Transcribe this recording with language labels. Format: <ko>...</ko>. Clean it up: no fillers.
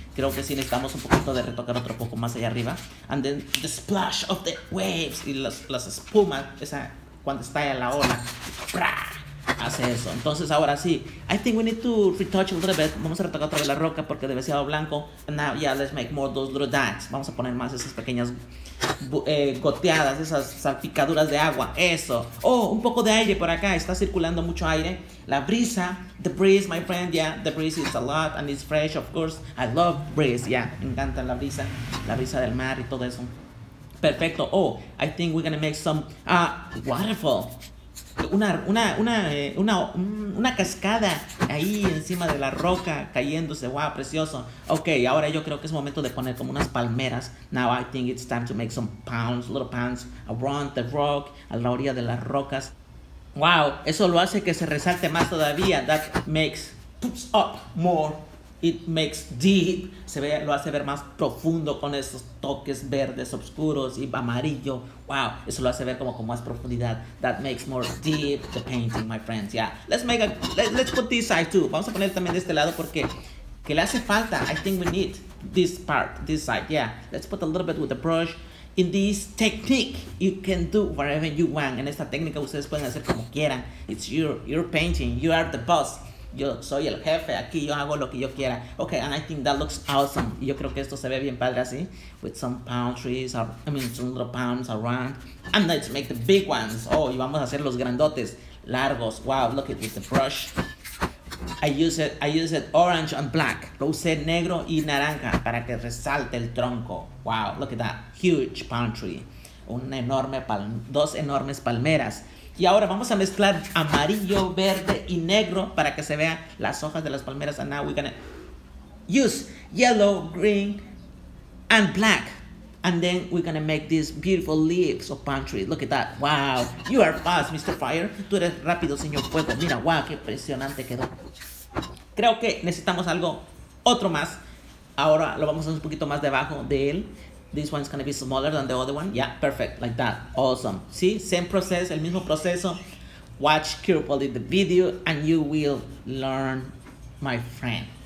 <es>Creo que sí necesitamos un poquito de retocar otro poco más allá arriba.</es> <en>And then the splash of the waves.</en> <es>Y las espumas. Esa, cuando está en la ola. ¡Brah! hace eso. Entonces ahora sí,</es> <en>I think we need to retouch a little bit.</en> <es>Vamos a retocar otra vez la roca porque demasiado blanco.</es> <en>And now, yeah, let's make more those little dots.</en> <es>Vamos a poner más esas pequeñas goteadas, esas salpicaduras de agua. Eso. Oh, un poco de aire por acá. Está circulando mucho aire. La brisa.</es> <en>The breeze, my friend. Yeah, the breeze is a lot and it's fresh, of course. I love breeze. Yeah,</en> <es>me encanta la brisa. La brisa del mar y todo eso. Perfecto.</es> <en>Oh, I think we're gonna make some waterfall.</en> <es>Una cascada ahí encima de la roca cayéndose. Wow, precioso. Okay, ahora yo creo que es momento de poner como unas palmeras.</es> <en>Now I think it's time to make some ponds, little ponds around the rock,</en> <es>a la orilla de las rocas. Wow, eso lo hace que se resalte más todavía.</es> <en>That makes pops up more. It makes deep.</en> <es>Se ve, lo hace ver más profundo con esos toques verdes oscuros y amarillo. Wow, eso lo hace ver como con más profundidad.</es> <en>That makes more deep the painting, my friends. Yeah, let's put this side too.</en> <es>Vamos a poner también de este lado porque que le hace falta.</es> <en>I think we need this part, this side. Yeah, let's put a little bit with the brush. In this technique, you can do whatever you want.</en> <es>En esta técnica ustedes pueden hacer como quieran.</es> <en>It's your painting. You are the boss.</en> <es>Yo soy el jefe, aquí yo hago lo que yo quiera.</es> <en>Okay, and I think that looks awesome.</en> <es>Y yo creo que esto se ve bien padre así.</es> <en>With some palm trees, some little palms around. And let's make the big ones.</en> <es>Oh, y vamos a hacer los grandotes, largos.</es> <en>Wow, look at with the brush. I use it orange and black.</en> <es>Lo usé negro y naranja para que resalte el tronco.</es> <en>Wow, look at that, huge palm tree.</en> <es>Dos enormes palmeras. Y ahora vamos a mezclar amarillo, verde y negro para que se vean las hojas de las palmeras.</es> <en>And now we're gonna use yellow, green, and black. And then we're gonna make these beautiful leaves of palm trees. Look at that. Wow. You are fast, Mr. Fire.</en> <es>Tú eres rápido, señor fuego. Mira, wow, qué impresionante quedó. Creo que necesitamos algo, otro más. Ahora lo vamos a hacer un poquito más debajo de él.</es> <en>This one's gonna be smaller than the other one. Yeah, perfect, like that. Awesome. See, same process,</en> <es>el mismo proceso.</es> <en>Watch carefully the video and you will learn, my friend.</en>